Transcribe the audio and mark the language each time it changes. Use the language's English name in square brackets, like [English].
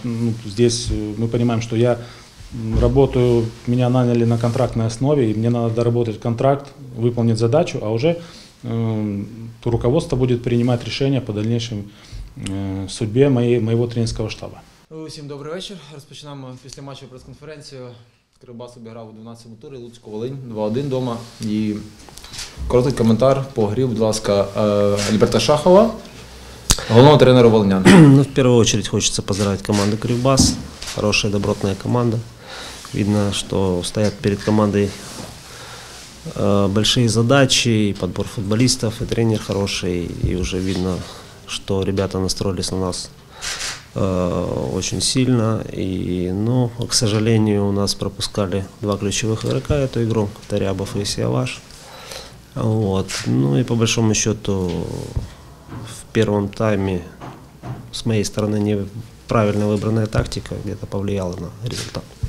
[Russian] Ну, здесь мы понимаем, что я работаю, меня наняли на контрактной основе, и мне надо доработать контракт, выполнить задачу, а уже то руководство [Ukrainian] буде приймати рішення по дальнішій судьбі моєго тренерського штабу. Усім добрий вечір. Розпочинаємо після матчу прес-конференцію. Кривбас обіграв у 12-му турі Луцьк-Волинь 2-1 вдома. І короткий коментар по грі, будь ласка, Альберта Шахова, головного тренера волинян. Ну, в першу чергу хочеться поздравити команду Кривбас. Хороша, добротна команда. [Russian] Видно, що стоять перед командою большие задачи, и подбор футболистов, и тренер хороший, и уже видно, что ребята настроились на нас очень сильно, и, ну, к сожалению, у нас пропускали два ключевых игрока эту игру, Тарябов и Сиаваш, вот, ну и по большому счету в первом тайме с моей стороны неправильно выбранная тактика где-то повлияла на результат.